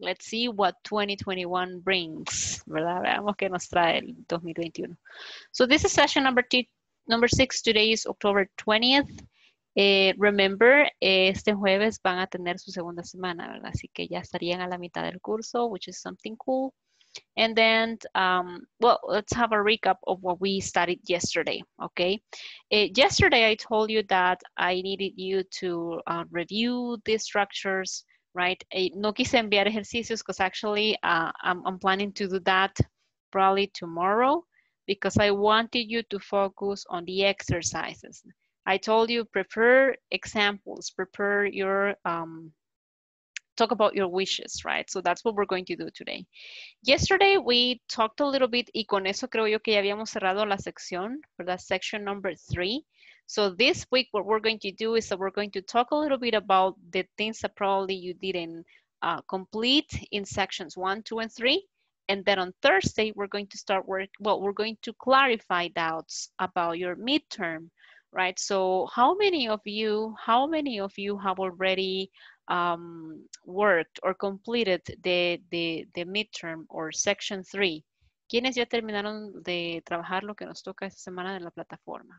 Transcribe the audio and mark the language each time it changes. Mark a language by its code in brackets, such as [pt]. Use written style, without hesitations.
[en] Let's see what 2021 brings, ¿verdad? [es] Veamos qué nos trae el 2021. [en] So this is session number 6. Today is October 20th. [es] Remember, este jueves van a tener su segunda semana, ¿verdad? Así que ya estarían a la mitad del curso, [en] which is something cool. And then, let's have a recap of what we studied yesterday, okay? Yesterday, I told you that I needed you to review these structures, right? [es] No quise enviar ejercicios [en] because actually I'm planning to do that probably tomorrow because I wanted you to focus on the exercises. I told you prepare examples, prepare your... talk about your wishes, right? So that's what we're going to do today. Yesterday, we talked a little bit, [es] y con eso creo yo que ya habíamos cerrado la sección, ¿verdad? [en] Section number 3. So this week, what we're going to do is that we're going to talk a little bit about the things that probably you didn't complete in sections 1, 2, and 3. And then on Thursday, we're going to start work, well, we're going to clarify doubts about your midterm, right? So how many of you have already worked or completed the midterm or section 3. [es] ¿Quiénes ya terminaron de trabajar lo que nos toca esta semana de la plataforma?